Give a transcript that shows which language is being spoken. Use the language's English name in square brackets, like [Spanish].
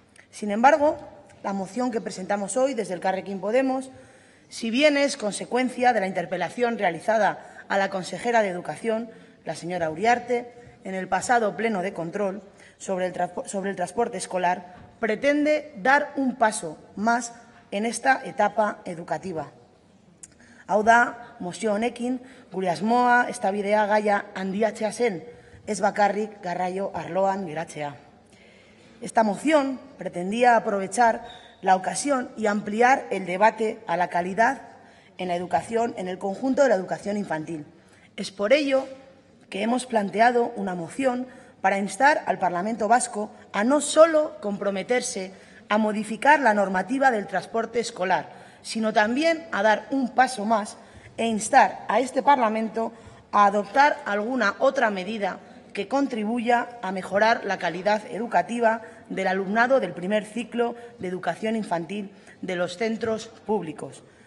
[Spanish] Sin embargo, la moción que presentamos hoy desde el Carrequín Podemos, si bien es consecuencia de la interpelación realizada a la consejera de Educación, la señora Uriarte, en el pasado pleno de control sobre el transporte escolar, pretende dar un paso más en esta etapa educativa. [Basque] Hau da, mozio honekin, gure asmoa, estabidea gaia handiatzea zen, ez bakarrik garraio arloan geratzea. [Spanish] Esta moción pretendía aprovechar la ocasión y ampliar el debate a la calidad en la educación, en el conjunto de la educación infantil. Es por ello que hemos planteado una moción para instar al Parlamento Vasco a no solo comprometerse a modificar la normativa del transporte escolar, sino también a dar un paso más e instar a este Parlamento a adoptar alguna otra medida que contribuya a mejorar la calidad educativa del alumnado del primer ciclo de educación infantil de los centros públicos.